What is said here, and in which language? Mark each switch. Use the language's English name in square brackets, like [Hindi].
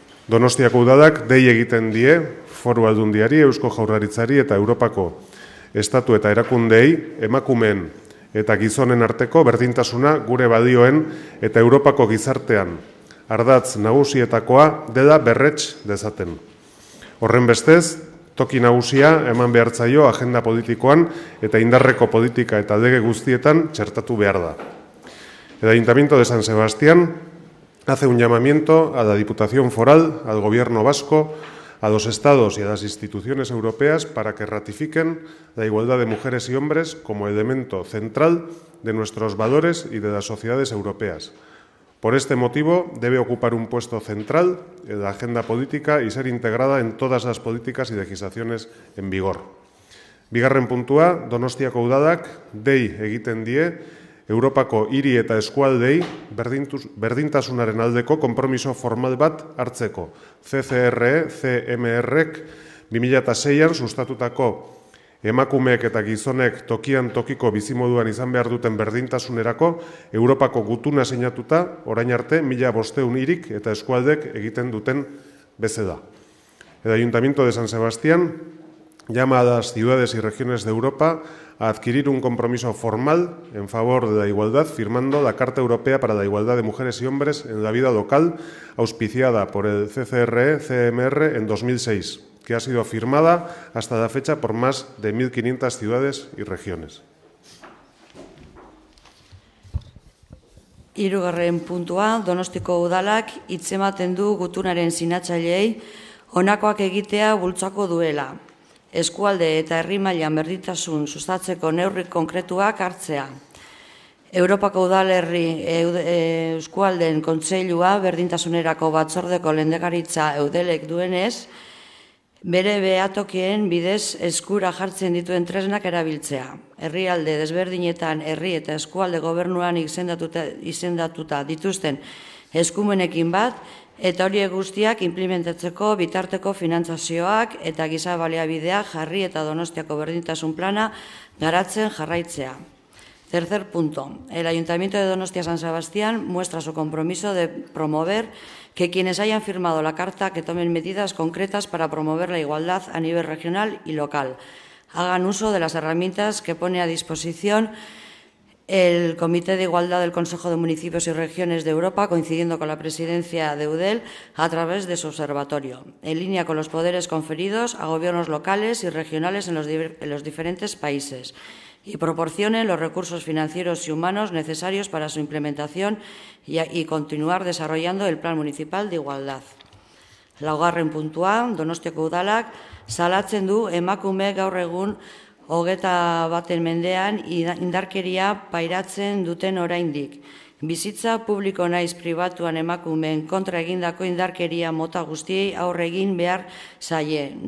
[Basque] Donostiako udalak dei egiten die Foru Aldundiari, Eusko Jaurlaritzari eta Europako estatu eta erakundei emakumeen eta gizonen arteko berdintasuna gure balioen eta Europako gizartean ardatz nagusietakoa dela berrets dezaten. Horren bestez, toki nagusia eman behar zaio agenda politikoan eta indarreko politika eta lege guztietan txertatu behar da. [Spanish] El Ayuntamiento de San Sebastián hace un llamamiento a la Diputación Foral, al Gobierno Vasco, a los estados y a las instituciones europeas para que ratifiquen la igualdad de mujeres y hombres como elemento central de nuestros valores y de las sociedades europeas. Por este motivo, debe ocupar un puesto central en la agenda política y ser integrada en todas las políticas y legislaciones en vigor. [Basque] Bigarren puntua, Donostiako udalak dei egiten die Europako hiri eta eskualdei berdintasunaren aldeko konpromiso formal bat hartzeko. CCR-CMR-ek 2006an sustatutako emakumeek eta gizonek tokian tokiko bizimoduan izan behar duten berdintasunerako Europako gutuna sinatuta orain arte 1500 hirik eta eskualdek egiten duten bezala. El Ayuntamiento de San Sebastián llama a las ciudades y regiones de Europa a adquirir un compromiso formal en favor de la igualdad firmando la Carta Europea para la Igualdad de Mujeres y Hombres en la Vida Local, auspiciada por el CCR-CMR en 2006, que ha sido firmada hasta la fecha por más de 1.500 ciudades y regiones. Hirugarren puntua, Donostiko udalak hitzematen du gutunaren sinatzaileei honakoak egitea bultzako duela. Eskualde eta herri mailan berdintasun sustatzeko neurri konkretuak hartzea. Europako udalerri eskualden kontseilua berdintasunerako batzordeko lehendakaritza eudelek duenez, bere behatokien bidez eskura jartzen dituen tresnak erabiltzea. Herrialde desberdinetan herri eta eskualde gobernuan izendatuta dituzten eskumenekin bat, eta horiek guztiak implementatzeko bitarteko finantzazioak eta giza baliabideak jarri eta Donostiako berdintasun plana garatzen jarraitzea. [Spanish] Tercer punto. El Ayuntamiento de Donostia San Sebastián muestra su compromiso de promover que quienes hayan firmado la carta que tomen medidas concretas para promover la igualdad a nivel regional y local. Hagan uso de las herramientas que pone a disposición el Comité de Igualdad del Consejo de Municipios y Regiones de Europa, coincidiendo con la presidencia de Eudel, a través de su observatorio, en línea con los poderes conferidos a gobiernos locales y regionales en los diferentes países, y proporcionen los recursos financieros y humanos necesarios para su implementación y continuar desarrollando el Plan Municipal de Igualdad. [Basque] Laugarren puntua, Donostiako udalak, salatzen du emakume gaur egun 21. mendean indarkeria pairatzen duten oraindik. Bizitza publiko naiz pribatuan emakumeen kontra egindako indarkeria mota guztiei aurre egin behar zaie.